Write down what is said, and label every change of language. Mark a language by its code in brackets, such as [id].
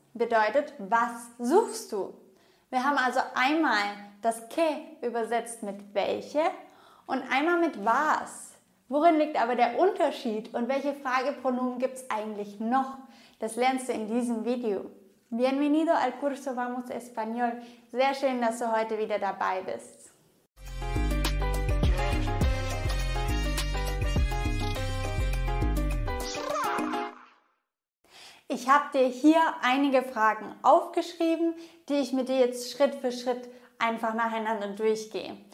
[de] Bedeutet, was suchst du? Wir haben also einmal das ¿qué? Übersetzt mit welche und einmal mit was. Worin liegt aber der Unterschied und welche Fragepronomen gibt es eigentlich noch? Das lernst du in diesem Video. [es] Bienvenido al curso Vamos Español. [de] Sehr schön, dass du heute wieder dabei bist. Ich habe dir hier einige Fragen aufgeschrieben, die ich mit dir jetzt Schritt für Schritt einfach nacheinander durchgehe.